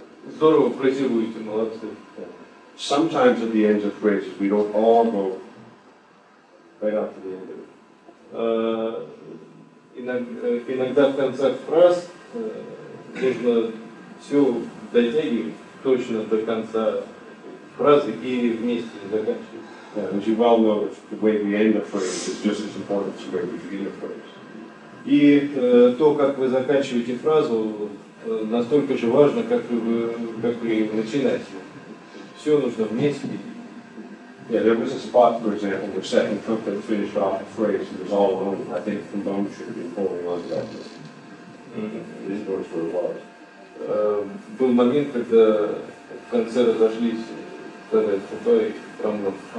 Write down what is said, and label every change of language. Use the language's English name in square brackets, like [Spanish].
[Russian] Здорово, фразируете, молодцы. [English] Sometimes at the ends of phrases, we don't all go right up to the end of it. [Russian] Иногда в концах фраз нужно все дотягивать точно до конца фразы и вместе заканчивать. [English] As you well know, the way we end a phrase is just as important as the way we begin a phrase. [Russian] И то, как вы заканчиваете фразу, настолько же важно, как вы начинаете. Все нужно вместе. [English] Yeah, there was a spot, for example, where Seton Cook had finished off a phrase and was all alone. I think the bone should have been pulling on that. This is where it was. [Russian] Был момент, когда в конце разошлись Тотой Трамбом.